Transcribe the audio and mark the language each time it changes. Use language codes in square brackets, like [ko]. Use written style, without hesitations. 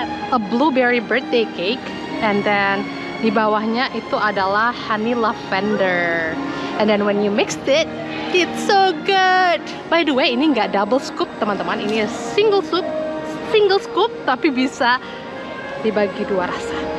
[en] A blueberry birthday cake. And then [id] di bawahnya itu adalah honey lavender. [en] And then when you mixed it, it's so good. By the way, [id] ini nggak double scoop teman-teman. Ini single scoop, single scoop. Tapi bisa dibagi dua rasa.